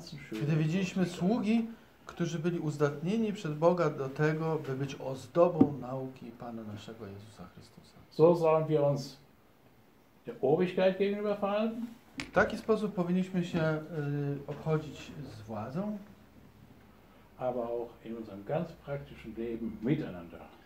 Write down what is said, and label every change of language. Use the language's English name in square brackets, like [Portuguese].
[Polish] Kiedy widzieliśmy sługi, którzy byli uzdatnieni przed Boga do tego, by być ozdobą nauki Pana naszego Jezusa Chrystusa. [German] So sollen wir uns der Obrigkeit gegenüber verhalten. [Polish] W taki sposób powinniśmy się obchodzić z władzą, [German] aber auch in unserem ganz praktischen Leben miteinander.